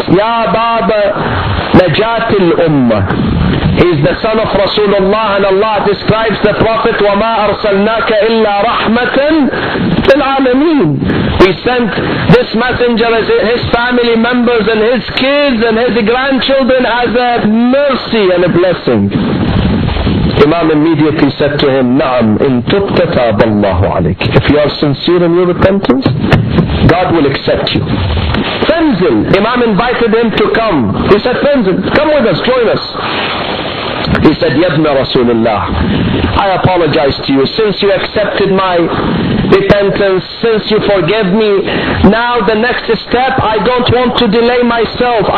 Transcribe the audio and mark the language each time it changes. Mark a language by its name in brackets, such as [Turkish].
[Arabic] "Ya Baba, najat al-Ummah." [English] He is the son of Rasulullah, and Allah describes the Prophet, [Arabic] "وَمَا أَرْسَلْنَاكَ إِلَّا رَحْمَةً لِلْعَالَمِينَ." [English] We sent this messenger as his family members and his kids and his grandchildren as a mercy and a blessing. Imam immediately said to him, [Arabic] "نعم إن تبت تاب الله عليك." [English] If you are sincere in your repentance, God will accept you. [Arabic] "فنزل." [English] Imam invited him to come. He said, [Arabic] "فنزل, [English] come with us, join us." He said, [Arabic] "يَبْنَ رَسُولِ اللَّهِ, [English] I apologize to you. Since you accepted my repentance, since you forgave me, now the next step, I don't want to delay myself.